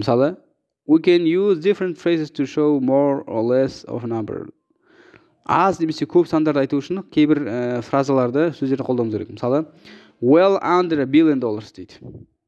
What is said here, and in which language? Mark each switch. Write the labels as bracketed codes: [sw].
[kk] Мысалы, [en] we can use different phrases to show more or less of a number. [kk] Аз немесе көп сандарды айту үшін кейбір фразаларды, сөздерді қолдануымыз керек. Мысалы, [en] well under a billion dollars [kk] дейді.